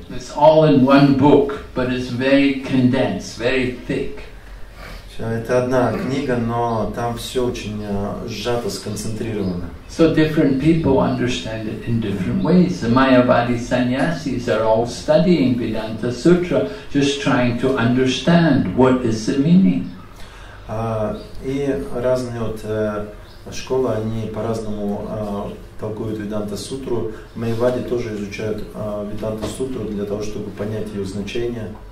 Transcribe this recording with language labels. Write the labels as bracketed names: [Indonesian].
[English] It's all in one book, but it's very condensed, very thick. [Russian] Это одна книга, но там все очень сжато, сконцентрировано. [English] So different people understand it in different ways. The Mayavadi sannyasis are all studying Vedanta Sutra, just trying to understand what is the meaning. [Russian] И разные вот школы, они по-разному толкуют Веданта Сутру. Майявади тоже изучают Веданта Сутру для того, чтобы понять ее значение.